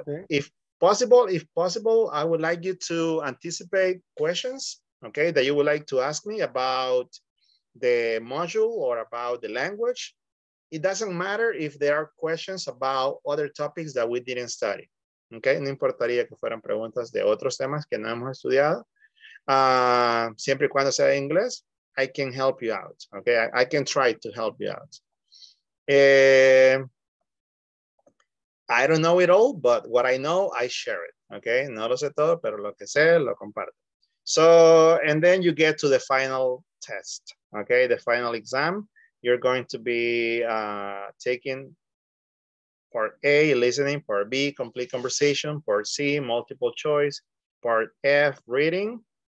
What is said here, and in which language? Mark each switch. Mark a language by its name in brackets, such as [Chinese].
[English] If possible, I would like you to anticipate questions, okay, that you would like to ask me about the module or about the language. It doesn't matter if there are questions about other topics that we didn't study, okay? [Spanish] No importaría que fueran preguntas de otros temas que no hemos estudiado. Siempre cuando sea inglés, [English] I can help you out. Okay, I can try to help you out. I don't know it all, but what I know, I share it. [Spanish] Okay, no lo sé todo, pero lo que sé, lo comparto. [English] So, and then you get to the final test. Okay, the final exam, you're going to be taking part A, listening, part B, complete conversation, part C, multiple choice, part F, reading.